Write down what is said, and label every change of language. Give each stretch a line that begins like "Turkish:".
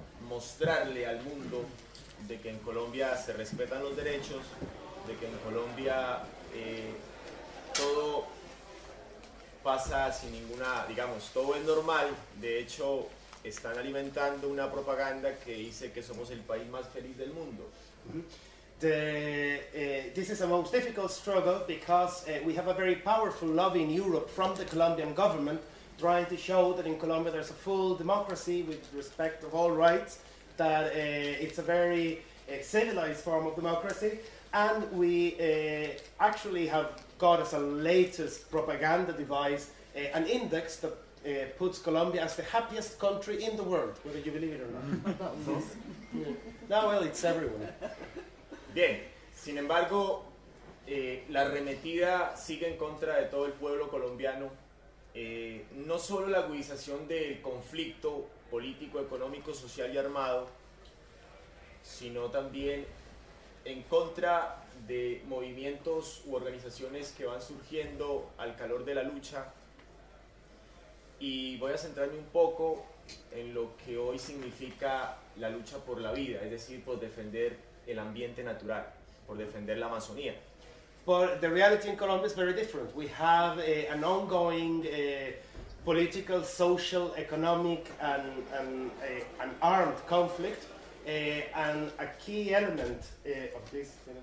Spanish: mostrarle al mundo de que en Colombia se respetan los derechos, de que en Colombia todo pasa sin ninguna, digamos, todo es normal. De hecho, están alimentando una propaganda que dice que somos el país más feliz del mundo.
English: This is a most difficult struggle because we have a very powerful lobby in Europe from the Colombian government trying to show that in Colombia there's a full democracy with respect of all rights, that it's a very civilized form of democracy, and we actually have got as a latest propaganda device an index that puts Colombia as the happiest country in the world, whether you believe it or not. No, well, it's everywhere.
Spanish: Bien, sin embargo, la arremetida sigue en contra de todo el pueblo colombiano. No solo la agudización del conflicto político, económico, social y armado, sino también en contra de movimientos u organizaciones que van surgiendo al calor de la lucha. Y voy a centrarme un poco en lo que hoy significa la lucha por la vida, es decir, por defender el ambiente natural, por defender la Amazonía.
English: But the reality in Colombia is very different. We have an ongoing political, social, economic, and armed conflict, and a key element of this.